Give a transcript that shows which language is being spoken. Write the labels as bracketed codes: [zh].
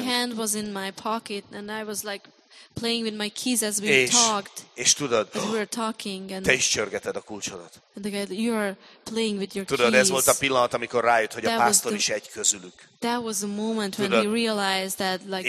[en] My hand was in my pocket, and I was like playing with my keys as we talked. [hu] És tudod, [en] as we were talking, and [hu] te is csörgeted a kulcsodat. [en] And the guy, you are playing with your [hu] tudod, [en] keys. [hu] Ez volt a pillanat, amikor rájött, hogy that a pásztor is egy közülük. [en] That was the moment when he realized that like